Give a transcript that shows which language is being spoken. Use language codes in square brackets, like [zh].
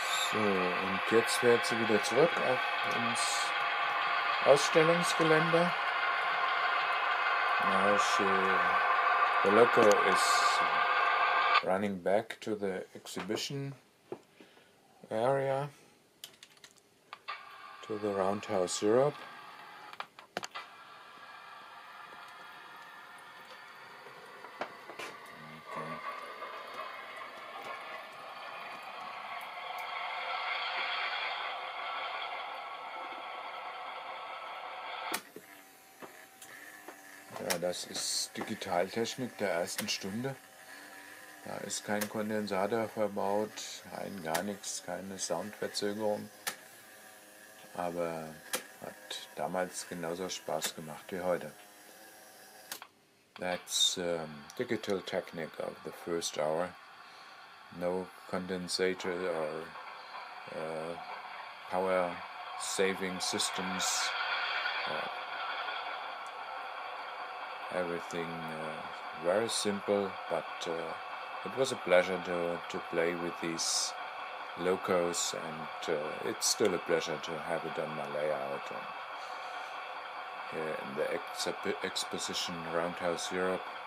[de] So, und jetzt fährt sie wieder zurück auf ins Ausstellungsgelände. [en] Now the loco is running back to the exhibition area, to the Roundhouse Europe. [de] Das ist Digitaltechnik der ersten Stunde. Da ist kein Kondensator verbaut, kein gar nichts, keine Soundverzögerung. Aber hat damals genauso Spaß gemacht wie heute. [en] That's digital technique of the first hour. No condensator or Power Saving Systems, everything very simple, but it was a pleasure to play with these locos, and it's still a pleasure to have it on my layout and here in the exposition Roundhouse Europe.